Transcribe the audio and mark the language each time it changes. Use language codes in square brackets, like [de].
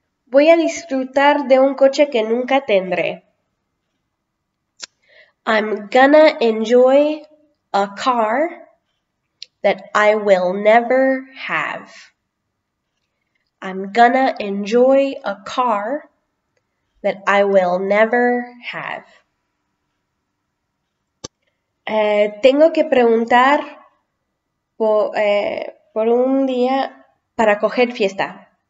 [es] Voy a disfrutar de un coche que nunca tendré. [en] I'm gonna enjoy a car that I will never have. I'm gonna enjoy a car that I will never have. [es] Tengo que preguntar por un día para coger fiesta.